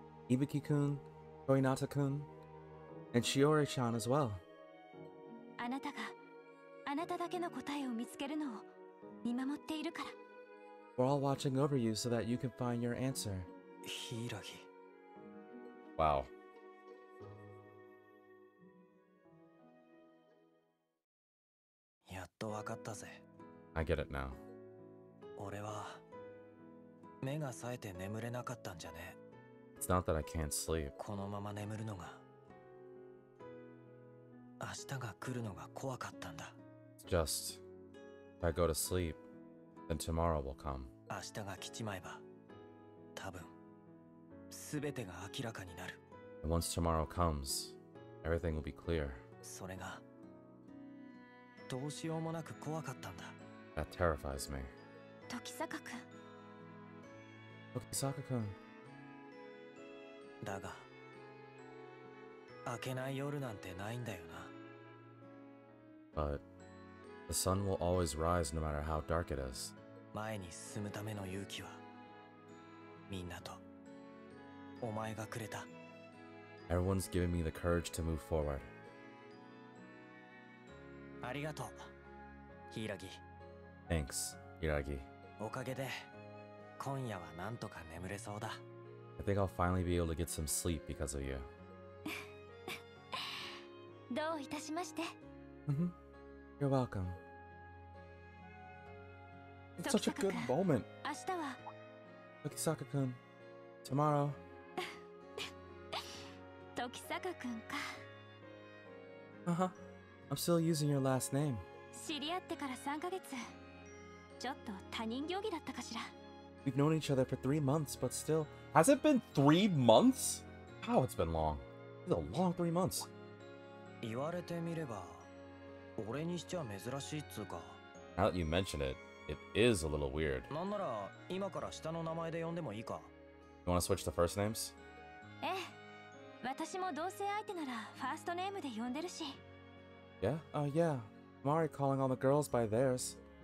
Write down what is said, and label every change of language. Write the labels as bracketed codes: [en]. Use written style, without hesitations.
[en] Ibuki-kun, Kohinata-kun, and Shiori-chan as well. [ja] Anata ga... あなただけの答えを見つけるのを見守っているから。 [en] We're all watching over you so that you can find your answer. [ja] ヒイラギ。 [en] Wow. [ja] やっとわかったぜ。 [en] I get it now. [ja] 俺は目が冴えて眠れなかったんじゃね。 [en] It's not that I can't sleep. [ja] このまま眠るのが、明日が来るのが怖かったんだ。 [en] Just, if I go to sleep, then tomorrow will come. [ja] 明日が来ちまえば、多分、すべてが明らかになる。 [en] And once tomorrow comes, everything will be clear. [ja] それが、どうしようもなく怖かったんだ。 [en] That terrifies me. [ja] 時坂君。時坂君。だが、明けない夜なんてないんだよな。 [en] But... The sun will always rise no matter how dark it is. [ja] 前に進むための勇気は、みんなと、お前がくれた。 [en] Everyone's giving me the courage to move forward. [ja] ありがとう、ヒイラギ。 [en] Thanks, ヒイラギ。 [ja] おかげで、今夜はなんとか眠れそうだ。 [en] I think I'll finally be able to get some sleep because of you. [ja] どういたしまして。 [en] You're welcome. It's such a good moment. [ja] 明日は [en] Tokisaka-kun, tomorrow. [ja] Tokisaka-kun か [en] I'm still using your last name. [ja] 知り合ってから3ヶ月。ちょっと他人行儀だったかしら。 [en] We've known each other for 3 months, but still... Has it been 3 months? How it's been long. It's a long 3 months. [ja] 言われてみれば俺にしちゃ珍しいっつうか。 [en] Now that you mention it, it is a little weird. [ja] なんなら今から下の名前で呼んでもいいか。 [en] You wanna switch to first names? [ja] ええ。私も同性相手ならファーストネームで呼んでるし。 [en] Yeah? Yeah. I'm already calling all the girls by theirs.